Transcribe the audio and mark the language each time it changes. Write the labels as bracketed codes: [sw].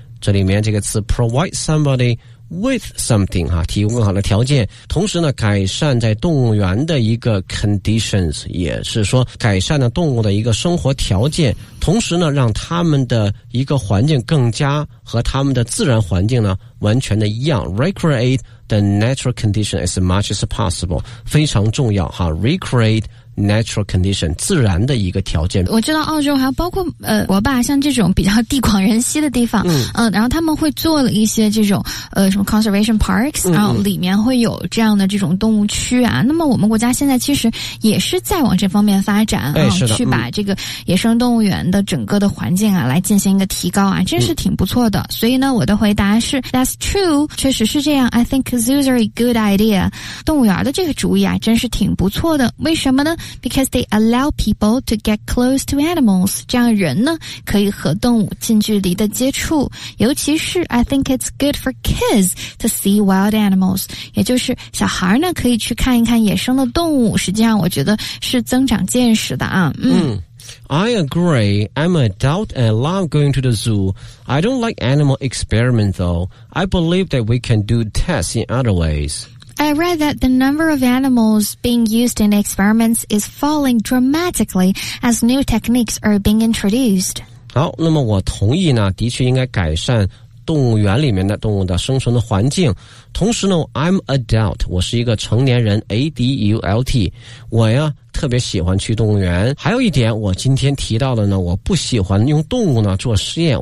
[zh] 这里面这个词 [en] provide somebody with something, [zh] 哈，提供更好的条件，同时呢改善在动物园的一个 conditions, 也是说改善了动物的一个生活条件，同时呢让他们的一个环境更加和他们的自然环境呢完全的一样。 [en] Recreate the natural condition as much as possible, [zh] 非常重要哈。 [en] Recreate natural condition, [zh] 自然的一个条件。我知道澳洲还有包括国霸像这种比较地广人稀的地方，嗯、然后他们会做了一些这种什么 conservation parks, 然后里面会有这样的这种动物区啊。嗯、那么我们国家现在其实也是在往这方面发展啊、哎是的，去把这个野生动物园的整个的环境啊来进行一个提高啊，真是挺不错的。 [en] 嗯、 [zh] 所以呢我的回答是 [en] that's true, [zh] 确实是这样。 [en] I think zoos are a good idea. [zh] 动物园的这个主意啊真是挺不错的。为什么呢？ [en] Because they allow people to get close to animals. [zh] 这样人呢可以和动物近距离的接触。尤其是 [en] I think it's good for kids to see wild animals. [zh] 也就是小孩呢可以去看一看野生的动物，实际上我觉得是增长见识的啊。嗯。 [en] I agree. I'm an adult and I love going to the zoo. I don't like animal experiments though. I believe that we can do tests in other ways. I read that the number of animals being used in experiments is falling dramatically as new techniques are being introduced. [zh] 好，那么我同意呢，的确应该改善动物园里面的动物的生存的环境。同时呢 ， [en] I'm adult， [zh] 我是一个成年人 ，adult， 我呀特别喜欢去动物园。还有一点，我今天提到的呢，我不喜欢用动物呢做实验。